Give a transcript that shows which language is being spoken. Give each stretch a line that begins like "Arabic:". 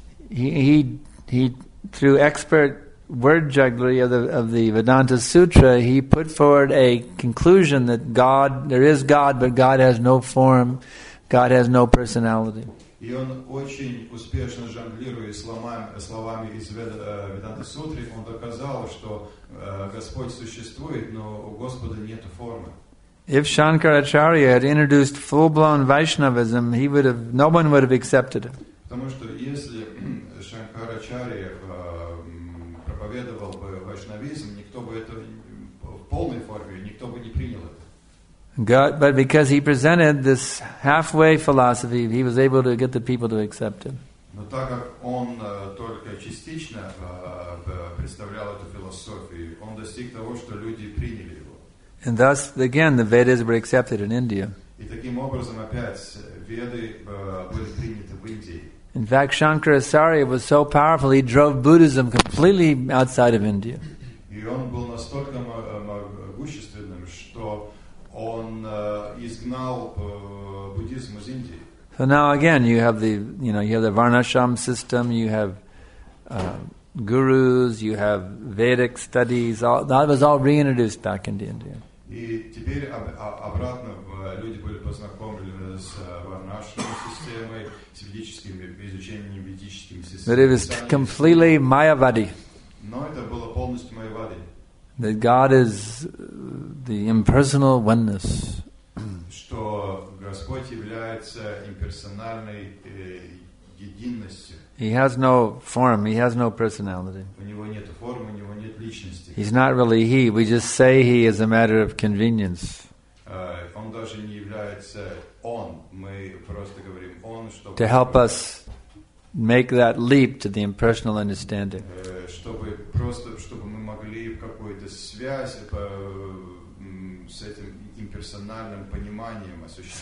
English: He through expert word jugglery of the Vedanta Sutra, he put forward a conclusion that God, there is God, but God has no form, God has no personality.
Russian: И он очень успешно жонглируя словами из Веданта Сутры, он доказал, что Господь существует, но у Господа нет формы.
English: If Shankaracharya had introduced full-blown Vaishnavism, no one would have accepted it.
Russian: Потому что если Шанкарачарья проповедовал бы вайшнавизм, никто бы это в полной форме, никто бы не принял это.
English: God, but because he presented this halfway philosophy, he was able to get the people to accept it.
Russian: Но так как он только частично представлял эту философию, он достиг того, что люди приняли его.
English: And thus, again, the Vedas were accepted in India.
Russian: И таким образом опять Веды были приняты в Индии.
English: In fact, Shankaracharya was so powerful, he drove Buddhism completely outside of India.
Russian: И он был настолько могущественным, что он изгнал буддизм из Индии.
English: So now again, you have the Varnashram system, you have gurus, you have Vedic studies, that was all reintroduced back into India.
Russian: И теперь обратно люди были познакомлены с Варнашрам системой, с ведическими, изучением ведических систем.
English: But it was completely Mayavadi.
Russian: Но это было полностью Mayavadi.
English: That God is the impersonal oneness.
Russian: Что Господь является имперсональной единностью.
English: He has no form, he has no personality.
Russian: У него нет формы, у него нет личности.
English: He's not really he, we just say he as a matter of convenience.
Russian: Он даже не является он, мы просто говорим он, чтобы...
English: To help us make that leap to the impersonal understanding.
Russian: Чтобы мы могли в какую-то связь с этим имперсональным пониманием осуществить.